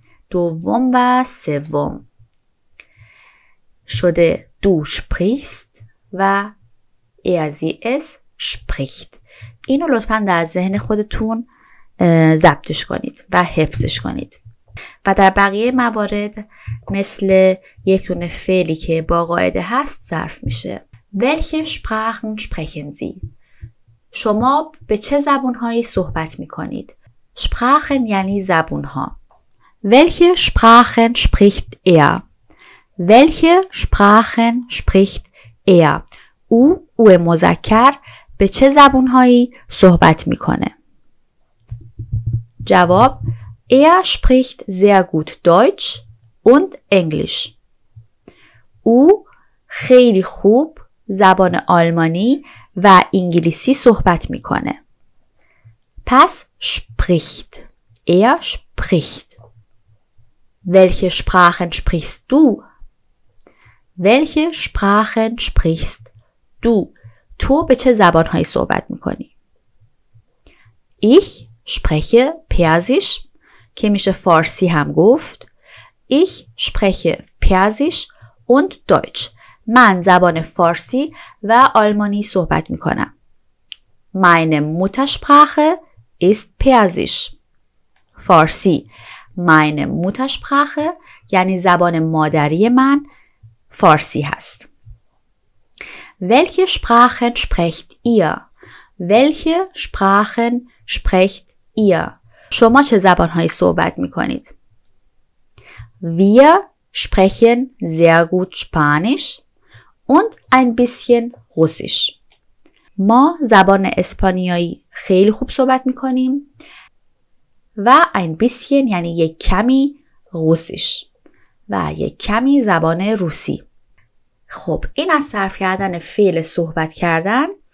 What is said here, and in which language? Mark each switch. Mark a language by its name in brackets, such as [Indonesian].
[Persian] دوم و سوم شده دو sprichst و [German] sie es spricht. [Persian] اینو لطفا در ذهن خودتون ضبطش کنید و حفظش کنید. و در بقیه موارد مثل یک دونه فعلی که با قاعده هست صرف میشه. [German] Welche Sprachen sprechen Sie? [Persian] شما به چه زبونهایی صحبت میکنید؟ Sprachen یعنی زبونها. [German] Welche Sprachen spricht er? Welche Sprachen spricht er? [Persian] او مذکر به چه زبونهایی صحبت میکنه؟ جواب [German] Er spricht sehr gut Deutsch und Englisch. [Persian] او خیلی خوب زبان آلمانی و انگلیسی صحبت میکنه. پس [German] spricht. Er spricht. Welche Sprachen sprichst du? Welche Sprachen sprichst du? [Persian] تو به چه زبانهایی صحبت میکنی؟ [German] Ich spreche Persisch. [Persian] که میشه فارسی هم گفت. [German] Ich spreche Persisch und Deutsch. [Persian] من زبان فارسی و آلمانی صحبت میکنم. [German] Meine Muttersprache ist Persisch. [Persian] فارسی. [German] Meine Muttersprache [Persian] یعنی زبان مادری من فارسی هست. [German] Welche Sprachen sprecht ihr? Welche Sprachen sprecht ihr? [Persian] شما چه زبانهایی صحبت میکنید؟ [German] Wir sprechen sehr gut Spanisch und ein bisschen Russisch. [Persian] ما زبان اسپانیایی خیلی خوب صحبت میکنیم و [German] ein bisschen [Persian] یعنی یک کمی [German] Russisch [Persian] و یک کمی زبان روسی. خب این از صرف کردن فعل صحبت کردن.